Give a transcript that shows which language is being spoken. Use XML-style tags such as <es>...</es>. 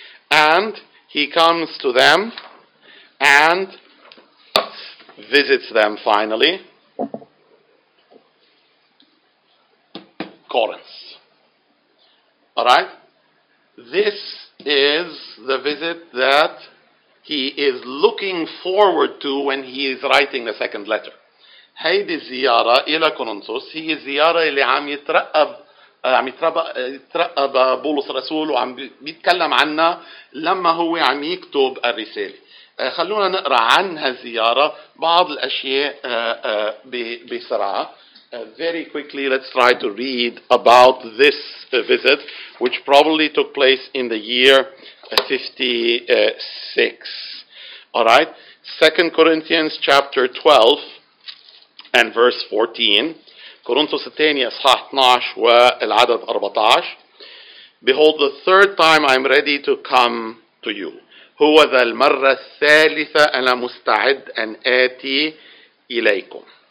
<en>And he comes to them and visits them finally. Corinth. Alright? This is the visit that he is looking forward to when he is writing the second letter.</en> <ar>هيدي الزيارة إلى كورنثوس هي الزيارة اللي عم يترقب بولس الرسول وعم بيتكلم عنها لما هو عم يكتب الرسالة. خلونا نقرأ عن هالزيارة بعض الأشياء بسرعة.</ar> <en>Very quickly, let's try to read about this visit, which probably took place in the year 56. All right, 2 Corinthians chapter 12 and verse 14.</en> <ar>Corinthos الثاني أصحاح 12 والعدد 14.</ar> <en>Behold, the third time I am ready to come to you.</en> <ar>هو ذا المرة الثالثة أنا مستعد أن آتي إليكم.</ar>